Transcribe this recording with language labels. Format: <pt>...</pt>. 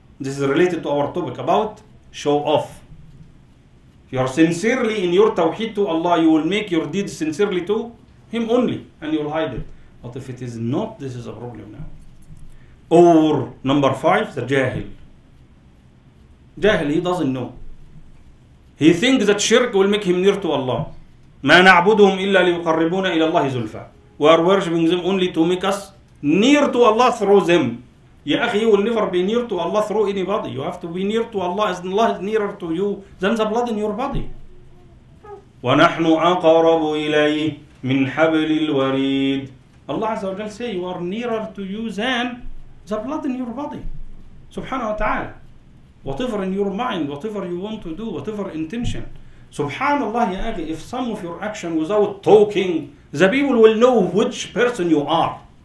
<en>This is related to our topic about show off. You are sincerely in your tawheed to Allah, you will make your deeds sincerely to him only and you will hide it. But if it is not, this is a problem now. Or number five, the jahil. Jahil, he doesn't know. He thinks that shirk will make him near to Allah.</en> <ar>ما نعبدهم إلا ليقربونا إلى الله زلفا.</ar> <en>We are worshiping them only to make us near to Allah through them.</en> <ar>يا أخي,</ar> <en>you will never be near to Allah through anybody. You have to be near to Allah as Allah is nearer to you than the blood in your body.</en> <ar>ونحن أقرب إليه من حبل الوريد.</ar> <en>Allah عز وجل say you are nearer to you than the blood in your body.</en> <ar>سبحانه وتعالى.</ar> <en>Whatever in your mind, whatever you want to do, whatever intention. Subhanallah, ya akhi, if some of your action without talking, the people will know which person you are.</en>